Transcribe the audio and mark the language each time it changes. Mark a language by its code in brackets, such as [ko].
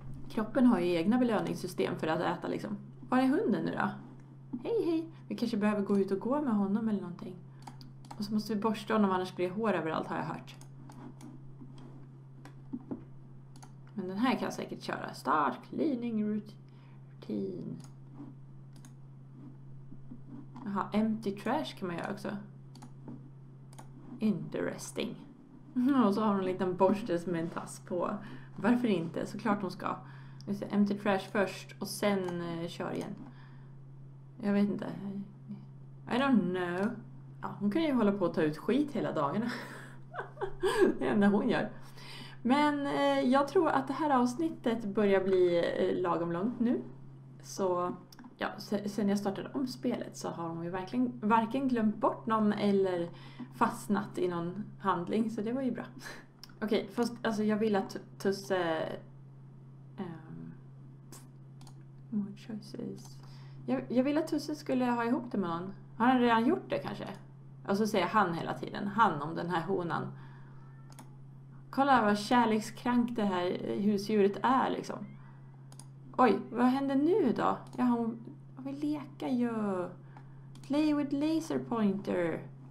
[sv] Kroppen har ju egna belöningssystem för att äta liksom. Var är hunden nu då? Hej, hej. Vi kanske behöver gå ut och gå med honom eller någonting. Och så måste vi borsta honom, annars blir hår överallt har jag hört. Men den här kan jag säkert köra. [en] Start cleaning routine. [sv] Jaha, empty trash kan man göra också. Interesting. Och så har hon en liten borste som är en tass på. Varför inte? Såklart hon ska. Vi ser empty trash först och sen kör igen. Jag vet inte. [en] I don't know. [sv] Ja, hon kan ju hålla på att ta ut skit hela dagarna. Det enda hon gör. Men jag tror att det här avsnittet börjar bli lagom långt nu. Så ja, sen jag startade om spelet så har hon ju verkligen varken glömt bort någon eller fastnat i någon handling. Så det var ju bra. Okej, fast alltså, jag vill att Tusse... [en] more choices. [sv] Jag vill att Tusse skulle ha ihop det med någon. Har han redan gjort det kanske? Och så säger han hela tiden. Han om den här honan. Kolla vad kärlekskrank det här husdjuret är liksom. Oj, vad händer nu då? Ja, hon vill leka ju. [en] Play with laser pointer.